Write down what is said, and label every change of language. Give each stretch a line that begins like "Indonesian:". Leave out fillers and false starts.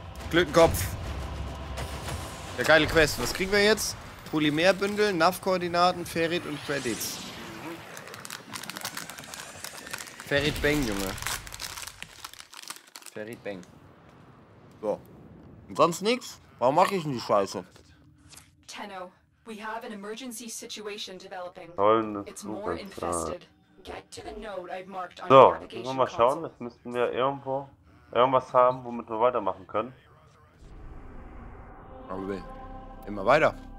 German: Glück im Kopf! Ja, geile Quest. Was kriegen wir jetzt? Polymerbündel, NAV-Koordinaten, Ferrit und Credits. Mhm. Ferrit Bang, Junge. Ferrit Bang. So. Und sonst nix? Warum mach ich denn die Scheiße?
English: Tenno, we have an emergency situation developing. It's more infested. Get to the node I've marked on your navigation.
German: So, müssen wir mal schauen. Jetzt müssten wir irgendwo irgendwas haben, womit wir weitermachen können. Aber wir immer weiter.